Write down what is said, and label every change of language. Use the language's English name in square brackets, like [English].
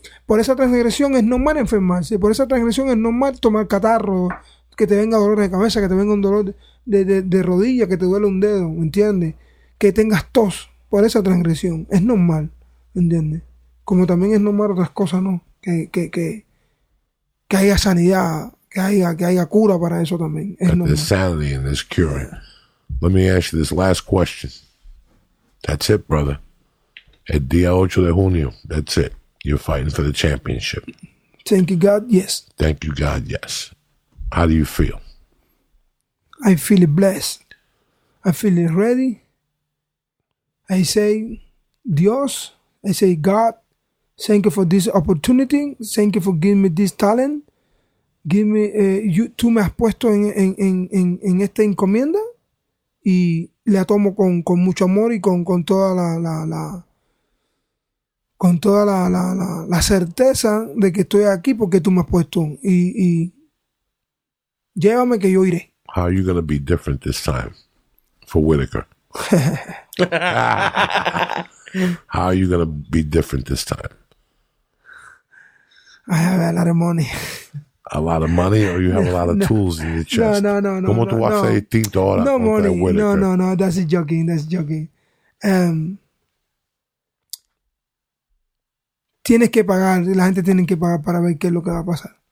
[Spanish] Por esa transgresión es normal enfermarse, por esa transgresión es normal tomar catarro, que te venga dolor de cabeza, que te venga un dolor de rodilla, que te duele un dedo, ¿me entiendes? Que tengas tos por esa transgresión. Es normal, ¿me entiendes? Como también es normal otras cosas, ¿no? Que haya sanidad, que haya cura para eso también. Es normal. [English] There's sanity and there's curing. Let me ask you this last question. That's it, brother. [Spanish] El día 8 de junio, [English] that's it. You're fighting for the championship. Thank you, God. Yes. Thank you, God. Yes. How do you feel? I feel blessed. I feel ready. I say, Dios, I say, God, thank you for this opportunity. Thank you for giving me this talent. Give me, [Spanish] tú me has puesto en esta encomienda y la tomo con mucho amor y con toda la certeza de que estoy aquí porque tú me has puesto y llévame que yo iré. [English] How are you going to be different this time for Whitaker? How are you going to be different this time? I have a lot of money. A lot of money, or you have a lot of tools in your chest? No. [Spanish] Como tú vas a decir todo ahora? [English] No money. No. That's joking. [Spanish] Tienes que pagar. La gente tiene que pagar para ver qué es lo que va a pasar.